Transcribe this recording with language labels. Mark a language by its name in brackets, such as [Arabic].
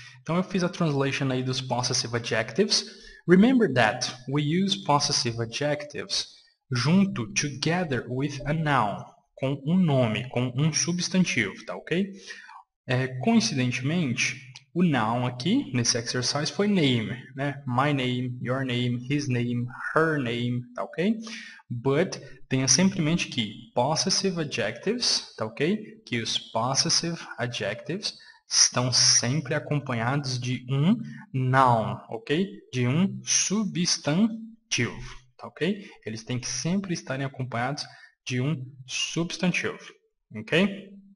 [Portuguese] Então, eu fiz a translation aí dos possessive adjectives. [English] Remember that we use possessive adjectives [Portuguese] junto, [English] together with a noun, [Portuguese] com um nome, com um substantivo, tá ok? Coincidentemente, o noun aqui, nesse exercise, foi name, né? [English] My name, your name, his name, her name, [Portuguese] tá ok? But, tenha sempre em mente que possessive adjectives, tá ok? Que os possessive adjectives estão sempre acompanhados de um noun, ok? De um substantivo, tá ok? Eles têm que sempre estarem acompanhados de um substantivo, ok?